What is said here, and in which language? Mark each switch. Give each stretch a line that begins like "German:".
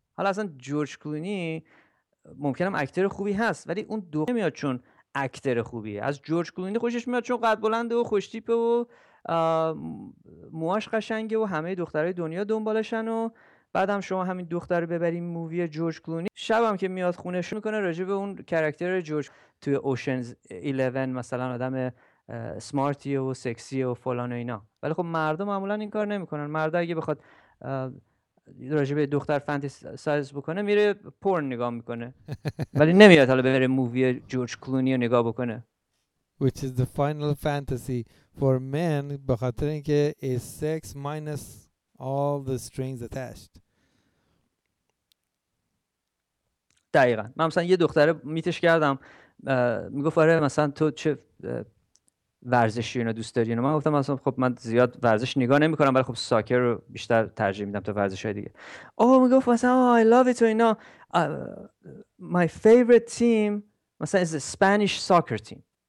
Persian: حالا اصلا جورج کلونی ممکنم اکتر خوبی هست، ولی اون دو نمیاد چون اکتر خوبیه، از جورج کلونی خوشش میاد چون قد بلنده و خوش تیپه و موهاش قشنگه و همه دخترای دنیا دنبالشن. و بعد هم شما همین دختر رو ببریم مووی جورج کلونی، شب هم که میاد خونه شون میکنه راجع به اون کرکتر جورج توی اوشنز 11 مثلا آدم سمارتی و سکسی و فلان و اینا. ولی خب مردم معمولا این کار نمیکنن. مرد اگه بخواد راجع به دختر فانتزی بکنه میره پورن نگاه میکنه، ولی نمیاد حالا ببره مووی جورج کلونی رو نگاه بکنه.
English: Which is the final fantasy for men
Persian: بخاطر اینکه
English: is sex minus all the strings attached.
Persian: دقیقا. من مثلا یه دختره میتش کردم میگفت آره مثلا تو چه ورزشی اینو دوست داری؟ من گفتم مثلا خب من زیاد ورزش نگاه نمی کنم، ولی خب ساکر رو بیشتر ترجیح میدم تا ورزش های دیگه. آه میگفت مثلا
English: I love it
Persian: و اینا
English: my favorite team
Persian: مثلا
English: is the Spanish soccer team.